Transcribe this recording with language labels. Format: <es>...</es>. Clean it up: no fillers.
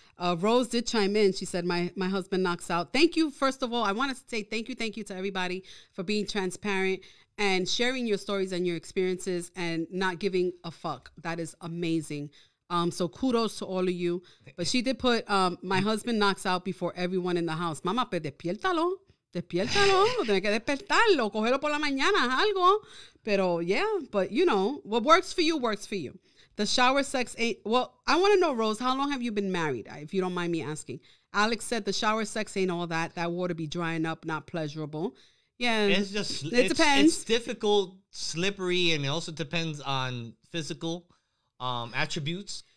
<en>Rose did chime in. She said, my husband knocks out. Thank you, first of all. I want to say thank you to everybody for being transparent and sharing your stories and your experiences and not giving a fuck. That is amazing. So kudos to all of you. But she did put, my husband knocks out before everyone in the house.</en> <es>Mama, pues despiértalo, tiene que despertarlo, cogerlo por la mañana, algo.</es> <en>Pero, yeah, but, you know, what works for you, works for you. The shower sex ain't, well, I want to know, Rose, how long have you been married, if you don't mind me asking? Alex said the shower sex ain't all that. That water be drying up, not pleasurable. Yeah. It depends. It's difficult, slippery, and it also depends on physical attributes.</en>